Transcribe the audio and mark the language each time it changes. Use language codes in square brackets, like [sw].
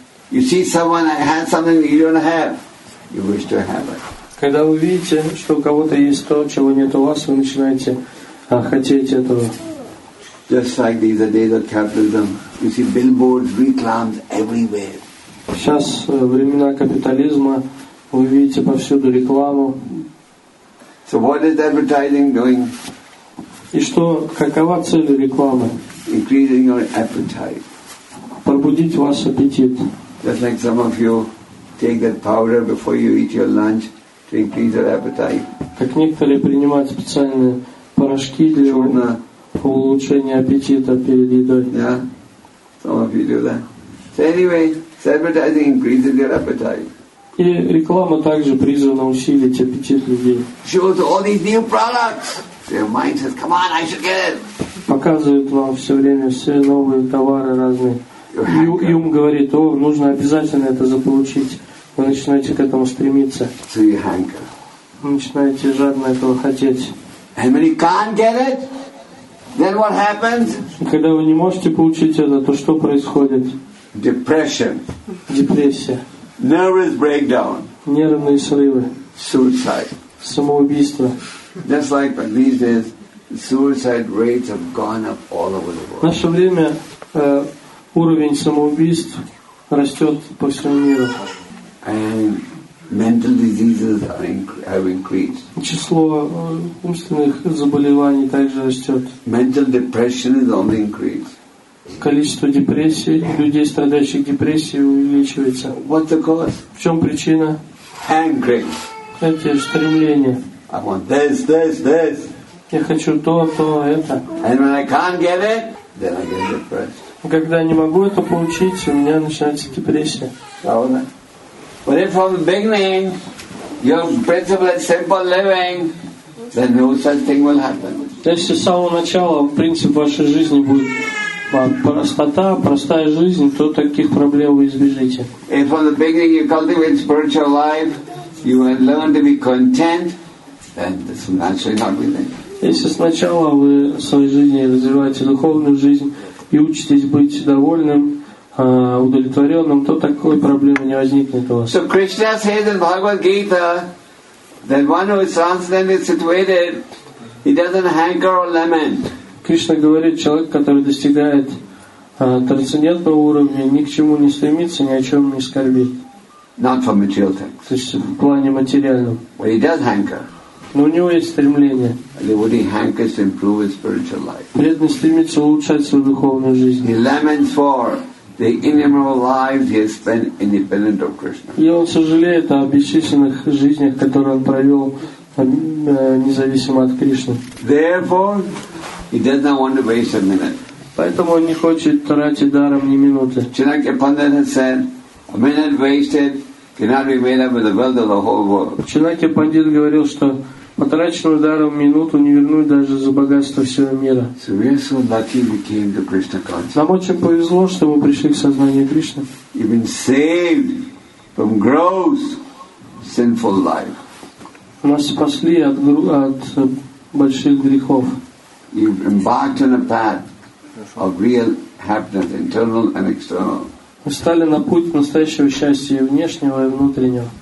[en] You see someone has something you don't have, you wish to have it. [ru] Когда вы видите, что у кого-то есть то, чего нет у вас, вы начинаете хотеть этого. [en] Just like these are days of capitalism, you see billboards, reclams everywhere. [ru] Сейчас времена капитализма, вы видите повсюду рекламу. [en] So what is advertising doing? [ru] И что, какова цель рекламы? [en] Increasing your appetite. [ru] Пробудить ваш аппетит. [en] Just like some of you take that powder before you eat your lunch to increase your appetite. [ru] Как некоторые принимают специальные порошки для Улучшение аппетита перед едой. Да. [en] Some of you do that. So anyway, it's advertising increases your appetite. [ru] И реклама также призвана усилить аппетит людей. [en] Shows all these new products. Their mind says, "Come on, I should get it." [ru] Показывает вам все время все новые товары разные. И ум говорит, о, нужно обязательно это заполучить. Вы начинаете к этому стремиться. [en] So you hanker. [ru] Вы начинаете жадно этого хотеть. [en] And when you can't get it, then what happens? [ru] Когда вы не можете получить это, то что происходит? [en] Depression. [ru] Депрессия. [en] Nervous breakdown. [ru] Нервные срывы. [en] Suicide. [ru] Самоубийство. [en] Just like these days, suicide rates have gone up all over the world. [ru] В наше время уровень самоубийств растет по всему миру. [en] And mental diseases have increased. [ru] Число умственных заболеваний также растет. [en] Mental depression is only increased. [ru] Количество депрессии, людей, страдающих депрессией, увеличивается. [en] What's the cause? [ru] В чем причина? [en] Hankering. [ru] Эти стремления. [en] I want this, this, this. [ru] Я хочу то, то, это. [en] And when I can't get it, then I get depressed. [ru] Когда я не могу это получить, у меня начинается депрессия. [en] But if from the beginning your principle is simple living, then no such thing will happen. [ru] Если с самого начала принцип вашей жизни будет простота, простая жизнь, то таких проблем вы избежите. [en] If from the beginning you cultivate spiritual life, you will learn to be content, then this will naturally not be there. [ru] Если сначала вы в своей жизни развиваете духовную жизнь и учитесь быть довольным, удовлетворенным, то такой проблемы не возникнет у вас. [en] So Krishna says in Bhagavad Gita that one who is transcendentally situated, he doesn't hanker or lament. [ru] Кришна говорит, человек, который достигает трансцендентного уровня, ни к чему не стремится, ни о чем не скорбит. [en] Not for material things. [ru] То есть в плане материальном. [en] But he does hanker. [ru] Но у него есть стремление. [en] Devotee hankers to improve his spiritual life. [ru] Преданный стремится улучшать свою духовную жизнь. [en] He laments for the innumerable lives he has spent independent of Krishna. [ru] И он сожалеет о бесчисленных жизнях, которые он провел независимо от Кришны. [en] Therefore, he does not want to waste a minute. [ru] Поэтому он не хочет тратить даром ни минуты. [en] Chanakya Pandit has said, a minute wasted cannot be made up with the wealth of the whole world. [ru] Чинаки Пандит говорил, что потраченную даром минуту не вернуть даже за богатство всего мира. [en] So we are so lucky we came to Krishna consciousness. [ru] Нам очень повезло, что мы пришли к сознанию Кришны. [en] You've been saved from gross sinful life. [ru] Нас спасли от больших грехов. [en] You've embarked on a path of real happiness, internal and external. [ru] Мы стали на путь настоящего счастья и внешнего, и внутреннего.